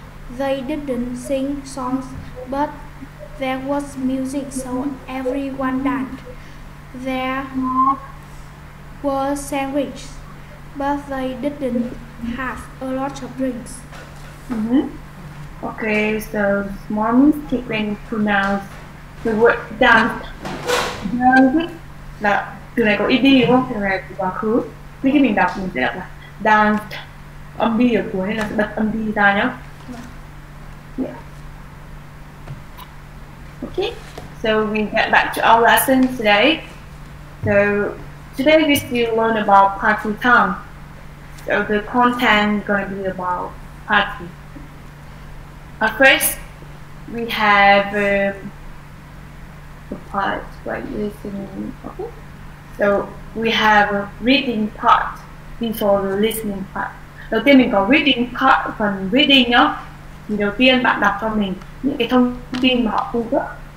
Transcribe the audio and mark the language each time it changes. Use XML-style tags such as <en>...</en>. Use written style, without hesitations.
<en>They didn't sing songs, but there was music, so everyone danced. There were sandwiches, but they didn't have a lot of drinks. Mm-hmm. Okay, so small mistake when you pronounce the word dance.</en> <vi>Là từ này có ý đi đúng không? Từ này có quá khứ. Thế khi mình đọc mình sẽ đọc là dance. Âm đi ở cuối là sẽ bật âm đi ra nhá.</vi> <en>Yeah. Okay, so we get back to our lesson today. So today we still learn about party time. So the content is going to be about party. At first, we have the part right listening. Okay. So we have a reading part before the listening part.</en> <vi>Đầu tiên mình có reading part, phần reading nhá. Thì đầu tiên bạn đọc cho mình những cái thông tin mà họ cung cấp.</vi>